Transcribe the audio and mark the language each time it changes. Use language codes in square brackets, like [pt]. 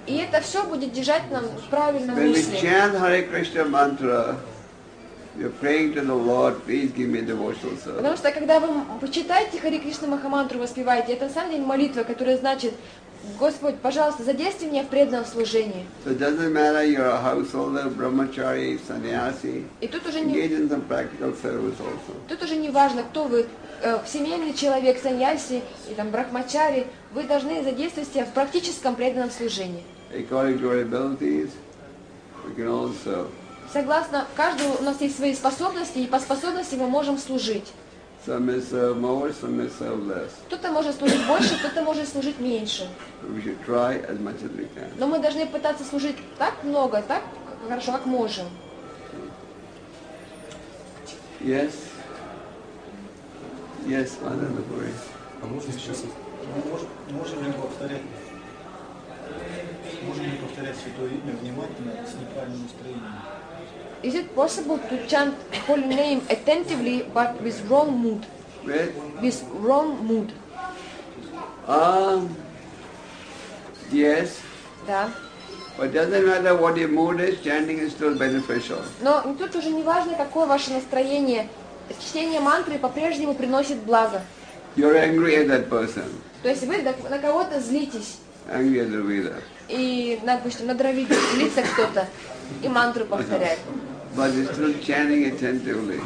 [ru] И это все будет держать нам в правильном мысли. [en] When we chant Hare Krishna mantra, you're praying to the Lord, please give me devotional service. [ru] Потому что когда вы читаете Hare Krishna Махамантру, воспеваете, это на самом деле молитва, которая значит, Господь, пожалуйста, задействуй меня в преданном служении. [en] So it doesn't matter, you're a householder, brahmachari, sannyasi. [ru] И тут уже [en] engage in some practical service also. [ru] Тут уже не важно, кто вы. Семейный человек, саньяси и там брахмачари, вы должны задействовать себя в практическом преданном служении. [en] According to our abilities, we can also... [ru] Согласно каждому, у нас есть свои способности, и по способности мы можем служить. [en] Some may serve more, some may serve less. [ru] Кто-то может служить больше, кто-то может служить меньше. [en] We should try as much as we can. [ru] Но мы должны пытаться служить так много, так хорошо, как можем. [en] Yes. Yes, Father Lepore. [ru] А можно сейчас? Можем ли повторять святое имя внимательно с неправильным настроением? [en] Is it possible to chant holy name attentively but with wrong mood? With wrong mood. Yes. [ru] Да. [en] But doesn't matter what your mood is, chanting is still beneficial. [ru] Но тут уже не важно, какое ваше настроение. Чтение мантры по-прежнему приносит благо. [en] You're angry at that person. [ru] То есть вы на кого-то злитесь. [en] Angry at Dravida. [ru] И, допустим, на Дравиде злится кто-то и мантру повторяет. [en] But you're still chanting attentively.